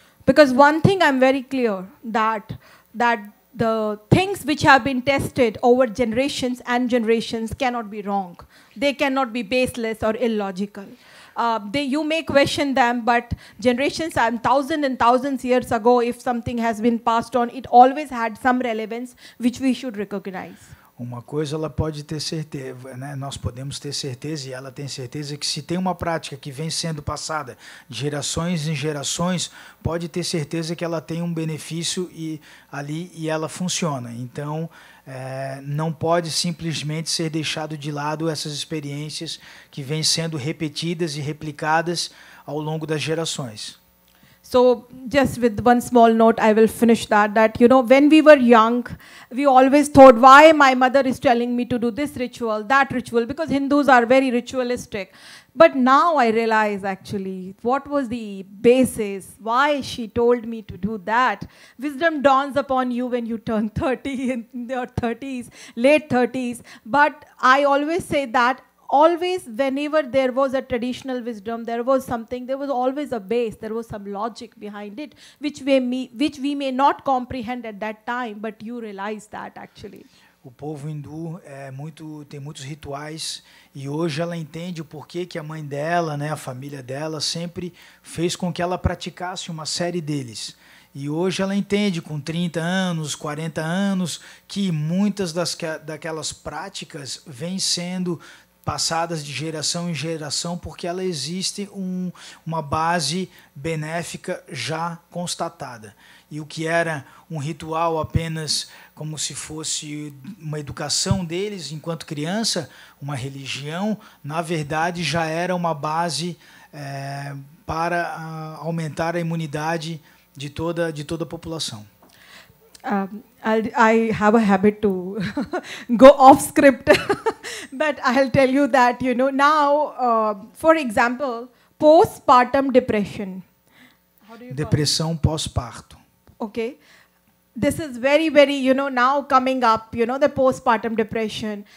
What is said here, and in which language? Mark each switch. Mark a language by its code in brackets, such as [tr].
[en] Because one thing I'm very clear that the things which have been tested over generations and generations cannot be wrong. They cannot be baseless or illogical. You may question them, but generations and thousands and thousands of years ago, if something has been passed on, it always had some relevance which we should recognize. [pt] Uma coisa ela pode ter certeza, né? Nós podemos ter certeza e ela tem certeza que se tem uma prática que vem sendo passada de gerações em gerações, pode ter certeza que ela tem um benefício e ela funciona. Então, não pode simplesmente ser deixado de lado essas experiências que vêm sendo repetidas e replicadas ao longo das gerações. [en] So just with one small note, I will finish that, you know, when we were young, we always thought, why my mother is telling me to do this ritual, that ritual, because Hindus are very ritualistic. But now I realize actually what was the basis, why she told me to do that. Wisdom dawns upon you when you turn 30, in your 30s, late 30s. But I always say that always whenever there was a traditional wisdom, there was something, there was always a base, there was some logic behind it, which we may not comprehend at that time, but you realize that actually. [pt] O povo hindu tem muitos rituais e hoje ela entende o porquê que a mãe dela, né, a família dela, sempre fez com que ela praticasse uma série deles. E hoje ela entende, com 30 anos, 40 anos, que muitas daquelas práticas vêm sendo passadas de geração em geração porque ela existe uma base benéfica já constatada. E o que era um ritual apenas como se fosse uma educação deles enquanto criança, uma religião, na verdade já era uma base para aumentar a imunidade de toda a população. [en] I have a habit to go off script, but I'll tell you that, you know, now, for example, postpartum depression. [pt] Depressão pós-parto. [en] Okay. This is very, very, you know, now coming up, you know, the postpartum depression.